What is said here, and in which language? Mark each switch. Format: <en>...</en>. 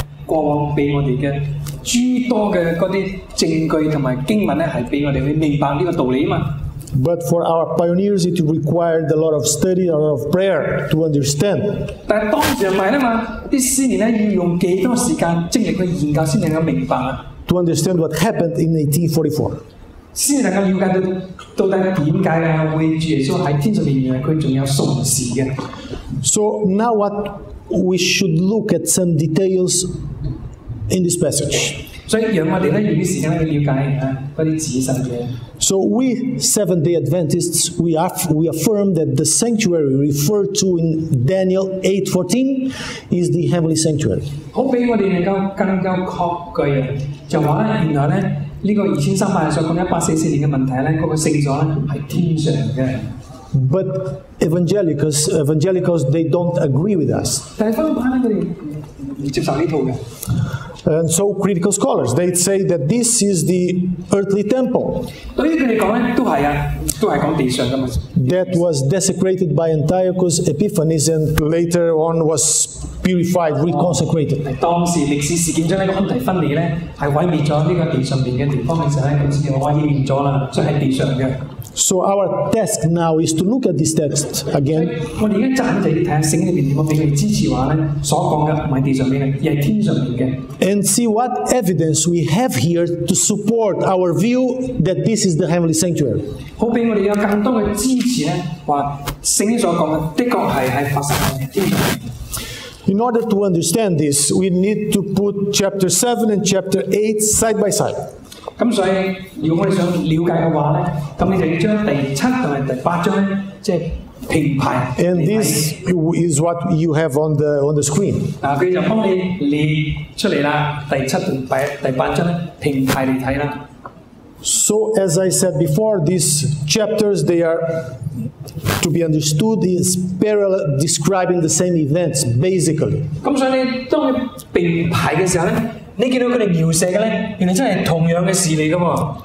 <yue>過往俾我哋嘅諸多嘅嗰啲證據同埋經文咧，係俾我哋去明白呢個道理啊嘛。</yue> <en>But for our pioneers, it required a lot of study, a lot of prayer to understand.</en> <yue>但當時唔係啊嘛，啲詩人咧要用幾多時間精力去研究先能夠明白啊</yue> <en>？To understand what happened in 1844.</en> <yue>先能夠了解到底點解啊？為主耶穌喺天上面，原來佢仲有崇事嘅。</yue> <en>So now what we should look at some details in this passage.</en> <yue>所以讓我哋咧用啲時間去了解啊嗰啲仔細嘅。</yue> <en>So we Seventh-day Adventists, we affirm that the sanctuary referred to in Daniel 8:14 is the heavenly sanctuary.</en> <yue>好俾我哋能夠更加確據啊，就話咧，原來咧呢個2300所講1844嘅問題咧，嗰個聖所咧係天上嘅。</yue> <en>But evangelicals they don't agree with us.</en> <yue>但係分派佢哋接受呢套嘅。</yue> <en>And so critical scholars, they say that this is the earthly temple.</en> <yue>對於佢哋講咧，都係啊，都係講地上噶嘛。</yue> <en>That was desecrated by Antiochus Epiphanes and later on was purified, reconsecrated.</en> <yue>當時歷史事件將呢個安提芬尼咧，係毀滅咗呢個地上邊嘅地方嘅時候咧，咁先至毀滅咗啦，所以係地上嘅。</yue> <en>So our task now is to look at this text again.</en> <yue>我哋而家暫時睇下聖經裏邊點樣俾佢支持話咧，所講嘅唔係地上邊嘅，而係天上邊嘅。</yue> <en>And see what evidence we have here to support our view that this is the heavenly sanctuary.</en> <yue>好俾我哋有更多嘅支持咧，話聖經所講嘅的確係喺發生喺天上邊。</yue> <en>In order to understand this, we need to put chapter 7 and chapter 8 side by side.</en> <yue>咁所以，如果我哋想了解嘅話咧，咁你就要將第七同埋第八章咧，即係平排。</yue> <en>And this is what you have on the screen.</en> <yue>嗱，佢就幫你列出嚟啦，第七同第八章咧，平排嚟睇啦。</yue> <en>So as I said before, these chapters they are to be understood is parallel, describing the same events basically.</en> <yue>咁所以咧，當你平排嘅時候咧。你見到佢哋描寫嘅咧，原來真係同樣嘅事嚟噶喎。</yue>